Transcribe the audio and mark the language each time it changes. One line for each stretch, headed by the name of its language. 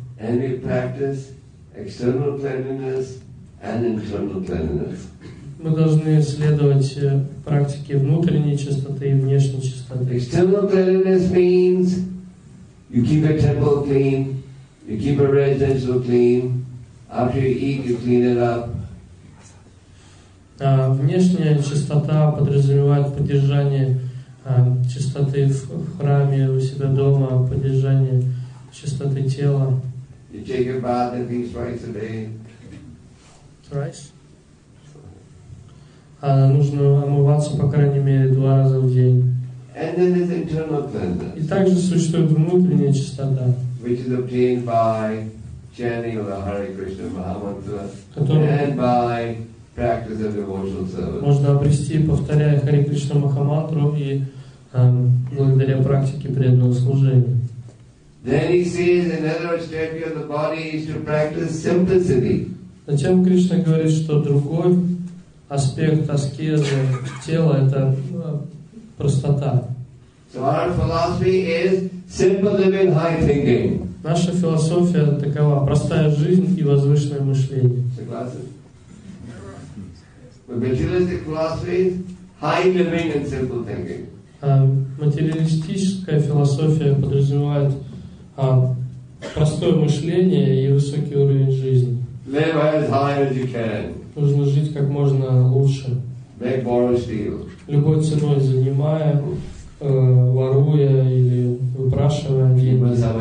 English: And we practice external cleanliness and internal cleanliness.
Russian: Мы должны следовать практике внутренней чистоты и внешней чистоты.
English: External cleanliness means you keep your temple clean, you keep your residential clean. After you eat, you clean it up.
Russian: Внешняя чистота подразумевает поддержание чистоты в храме, у себя дома, поддержание чистоты тела.
English: You take your bath at least twice a day. Twice?
Russian: Нужно омываться по крайней мере два раза в день.
English: And then there's internal cleanliness.
Russian: И также существует внутренняя чистота.
English: Which is obtained by chanting the Hare Krishna Mahamantra and by practice of devotional service.
Russian: Можно обрести, повторяя Хари Кришна Махамантру и благодаря практике преданного служения.
English: Then he says another step of the body is to practice simplicity.
Russian: Затем Кришна говорит, что другой аспект аскезы тела это простота.
English: So our philosophy is simple living, high thinking.
Russian: Наша философия такова: простая жизнь и возвышенное мышление.
English: Materialistic philosophy is high living and simple thinking.
Russian: Материалистическая философия подразумевает простое мышление и высокий уровень жизни.
English: Live as high as you can.
Russian: Нужно жить как можно лучше.
English: Make borrow steal.
Russian: Любой ценой занимая воруя или выпрашивая деньги.